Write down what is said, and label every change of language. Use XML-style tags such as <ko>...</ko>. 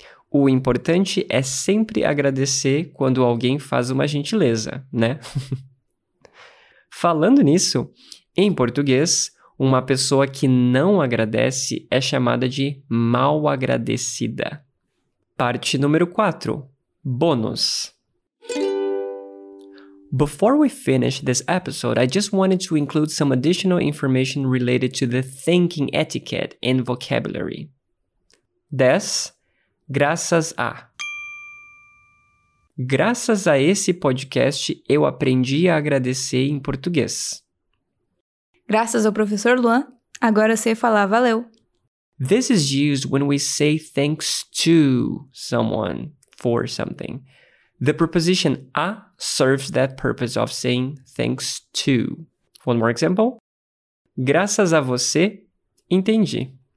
<pt>O importante é sempre agradecer quando alguém faz uma gentileza, né? Falando nisso, em português, uma pessoa que não agradece é chamada de mal agradecida. Parte número 4. Bônus.</pt> <en>Before we finish this episode, I just wanted to include some additional information related to the thanking etiquette and vocabulary.</en> <pt>10. Graças a. Graças a esse podcast, eu aprendi a agradecer em português. Graças ao professor Luan, agora sei falar valeu.</pt> <en>This is used when we say thanks to someone for something. The preposition a serves that purpose of saying thanks to. One more example.</en> <pt>Graças a você, entendi.</pt>